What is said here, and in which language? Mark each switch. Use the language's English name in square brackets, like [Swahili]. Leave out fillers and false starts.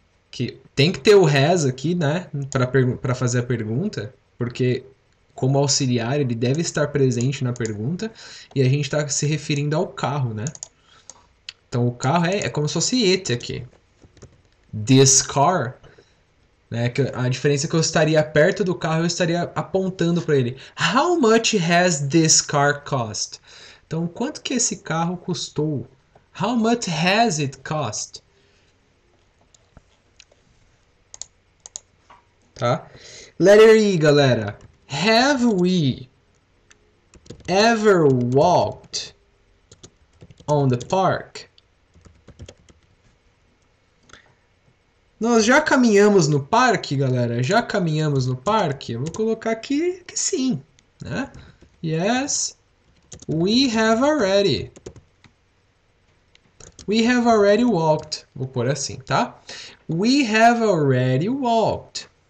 [Portuguese] Que tem que ter o has aqui, né, para fazer a pergunta, porque como auxiliar ele deve estar presente na pergunta e a gente está se referindo ao carro, né? Então o carro é como se fosse it aqui. [English] This car. [Portuguese] Né, que a diferença é que eu estaria perto do carro, eu estaria apontando para ele. [English] How much has this car cost? [Portuguese] Então, quanto que esse carro custou? [English] How much has it cost? [Portuguese] Tá? Letter E, galera. [English] Have we ever walked on the park? [Portuguese] Nós já caminhamos no parque, galera? Já caminhamos no parque? Eu vou colocar aqui que sim, né? [English] Yes, we have already. We have already walked. [Portuguese] Vou pôr assim, tá? [English] We have already walked.